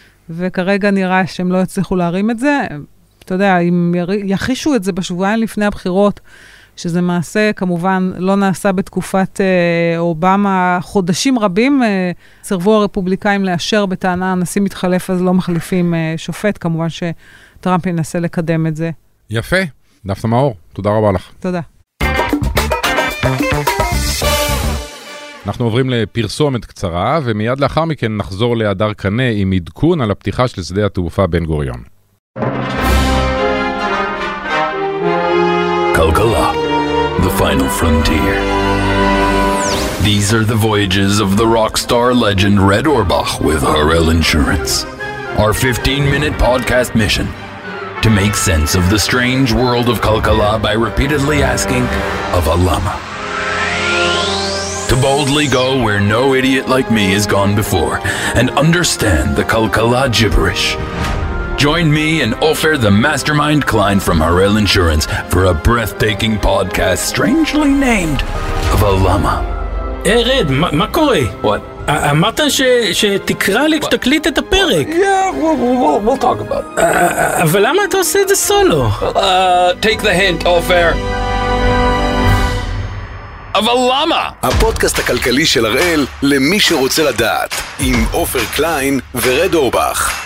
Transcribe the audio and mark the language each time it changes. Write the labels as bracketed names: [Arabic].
[Hebrew] וכרגע נראה שהם לא יצליחו להרים את זה. אתה יודע, אם יחישו את זה בשבועיים לפני הבחירות, שזה מעשה כמובן לא נעשה בתקופת אובמה, חודשים רבים סרבו הרפובליקאים לאשר בטענה, הנשיא מתחלף אז לא מחליפים שופט, כמובן שטראמפ ינסה לקדם את זה. יפה, דפנה מאור, תודה רבה לך. תודה. אנחנו עוברים לפרסומת קצרה, ומיד לאחר מכן נחזור להדר קנה עם עדכון על הפתיחה של שדה התעופה בן גוריון. [English] כלכלה, the final frontier. These are the voyages of the rock star legend Red Orbach with Harel Insurance. Our 15-minute podcast mission, to make sense of the strange world of Kalkala by repeatedly asking of a lama. To boldly go where no idiot like me has gone before and understand the Kalkala gibberish. Join me and Ofer, the mastermind Klein from Harel Insurance, for a breathtaking podcast strangely named of a llama. [Hebrew] Hey, Red, מה קורה? [English] What? [Hebrew] אמרת שתקרא לי כשתקליט את הפרק. [English] Yeah, we'll talk about it. [Hebrew] אבל למה אתה עושה את זה סולו? [English] Take the hint, Ofer. [Hebrew] אבל למה? הפודקאסט הכלכלי של הראל למי שרוצה לדעת עם אופר קליין ורד אורבך.